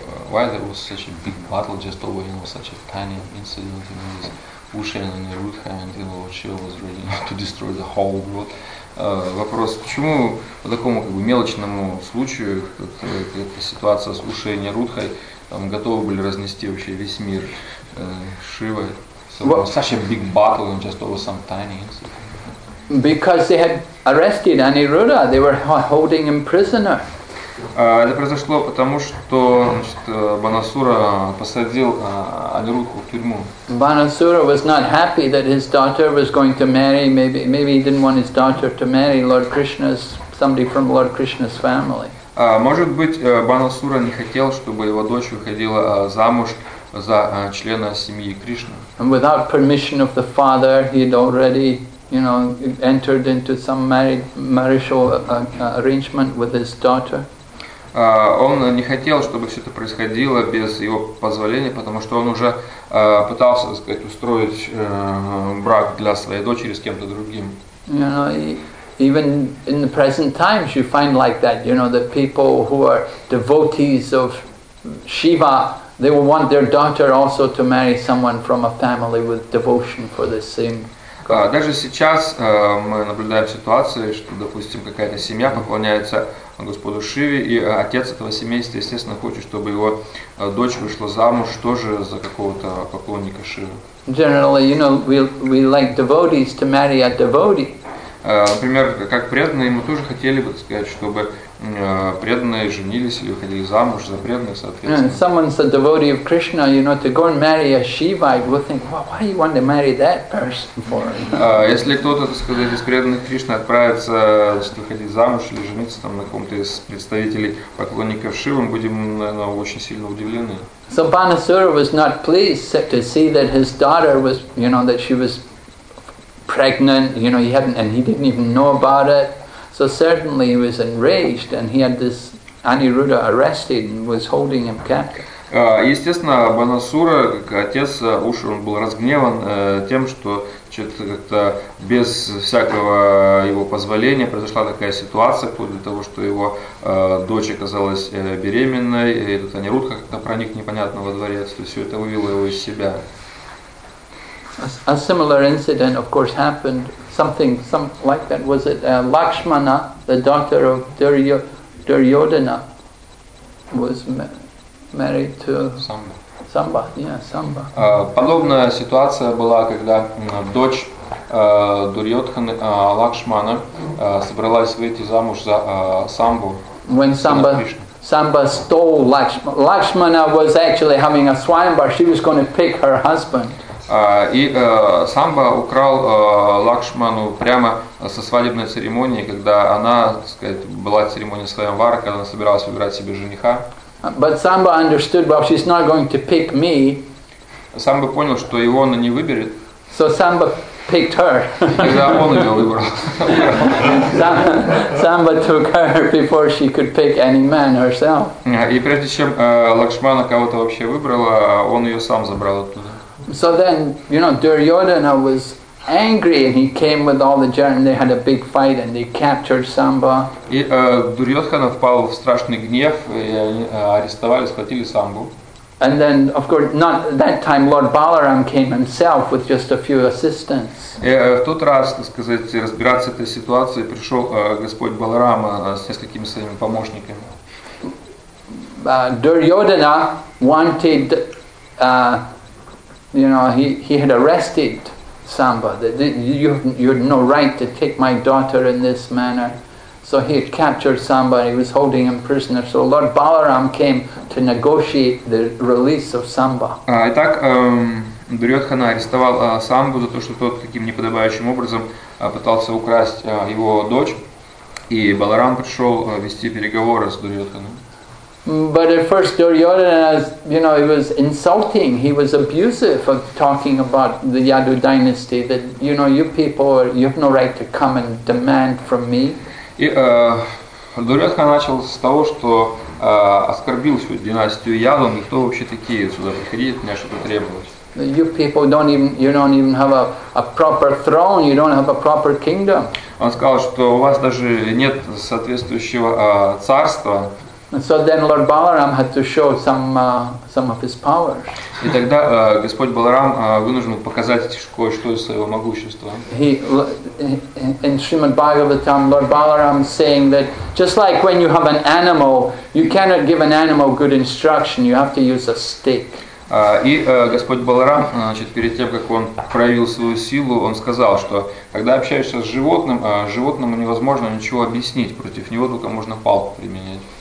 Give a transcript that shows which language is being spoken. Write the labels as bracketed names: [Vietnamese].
[English] Why there was such a big battle just over, you know, such a tiny incident in this Ushan and Narutha, and you know, Lord Shiva was ready to destroy the whole world. [Russian] Вопрос, почему по такому как бы мелочному случаю, эта ситуация с Ушей и Нарутхой, там готовы были разнести вообще весь мир Шивой? [English] Such a big battle and just over some tiny incident. Because they had arrested Aniruddha, they were holding him prisoner. [Russian] Это произошло потому, что Банасура посадил Анирудху в тюрьму. [English] Банасура was not happy that his daughter was going to marry, maybe he didn't want his daughter to marry Lord Krishna's, somebody from Lord Krishna's family. [Russian] Может быть, Банасура не хотел, чтобы его дочь выходила замуж за члена семьи Кришны. [English] And without permission of the father, he had already, you know, entered into some marital arrangement with his daughter. [Russian] Он не хотел, чтобы все это происходило без его позволения, потому что он уже пытался, так сказать, устроить брак для своей дочери с кем-то другим. [English] You know, even in the present times, you find like that. You know, the people who are devotees of Shiva, they will want their daughter also to marry someone from a family with devotion for the same. [Russian] Даже сейчас мы наблюдаем ситуацию, что, допустим, какая-то семья поклоняется Господу Шиве, и отец этого семейства, естественно, хочет, чтобы его дочь вышла замуж тоже за какого-то поклонника Шивы. [English] Generally, you know, we like devotees to marry a devotee. [Russian] Например, как преданные, мы тоже хотели бы сказать, чтобы преданные женились или выходили замуж за преданных, соответственно. [English] Someone's a devotee of Krishna, you know, to go and marry a Shivite, we'll think, well, why do you want to marry that person for? [Russian] Если кто-то, так сказать, из преданных Кришны отправится, значит, выходить замуж или жениться там на ком-то из представителей поклонников Шивы, мы будем, наверное, очень сильно удивлены. [English] So Banasura was not pleased to see that his daughter was, you know, that she was pregnant, you know, he didn't even know about it. So certainly he was enraged, and he had this Aniruddha arrested and was holding him captive. [Russian] Естественно, Банасура, как отец, уж он был разгневан тем, что что-то как-то без всякого его позволения произошла такая ситуация, вплоть до того, что его дочь оказалась беременной, и этот Анирудха как-то проник непонятно во дворец, то все это вывело его из себя. [English] A similar incident, of course, happened. Something like that. Was it Lakshmana, the daughter of Duryodhana, was married to Samba? Samba, yeah, Samba. [Russian] Подобная ситуация была, когда дочь Дурьодханы, Лакшмана, собралась выйти замуж за Самбу. [English] When Samba stole Lakshmana. Lakshmana was actually having a swayambar. She was going to pick her husband. [Russian] Самба украл Лакшману прямо со свадебной церемонии, когда она, так сказать, была церемония свайамвара, когда она собиралась выбирать себе жениха. [English] But Samba understood, well, she's not going to pick me. [Russian] Самба понял, что его она не выберет. [English] So Samba picked her. [Russian] Тогда он ее выбрал. [English] Samba took her before she could pick any man herself. [Russian] И прежде чем Лакшмана кого-то вообще выбрала, он ее сам забрал оттуда. [English] So then, you know, Duryodhana was angry, and he came with all the jar, and they had a big fight, and they captured Samba. [Russian] И Дурьодхана впал в страшный гнев, и они арестовали, схватили Самбу. [English] And then, of course, not that time, Lord Balaram came himself with just a few assistants. [Russian] В тот раз, так сказать, разбираться этой ситуацией пришел Господь Баларама с несколькими своими помощниками. [English] Duryodhana wanted. You know, he had arrested Samba. You had no right to take my daughter in this manner. So he had captured Samba and he was holding him prisoner. So Lord Balaram came to negotiate the release of Samba. [Russian] Итак, Дурьодхана арестовал Самбу за то, что тот таким неподобающим образом пытался украсть его дочь. И Баларам пришел вести переговоры с Дурьодханой. [English] But at first Duryodhana, you know, he was insulting, he was abusive of talking about the Yadu dynasty, that, you know, you people, you have no right to come and demand from me. [Russian] И Дурьодхана начал с того, что оскорбил всю династию Яду, ну кто вообще такие сюда приходить, от меня что-то требовалось. [English] You people don't even have a proper throne, you don't have a proper kingdom. [Russian] Он сказал, что у вас даже нет соответствующего царства. [English] And so then Lord Balaram had to show some of his powers. [Russian] И тогда Господь Баларам вынужден показать кое-что из своего могущества. [English] In Srimad Bhagavatam, Lord Balaram is saying that just like when you have an animal, you cannot give an animal good instruction, you have to use a stick. [Russian] И Господь Баларам, значит, перед тем, как он проявил свою силу, он сказал, что когда общаешься с животным, животному невозможно ничего объяснить, против него только можно палку применять.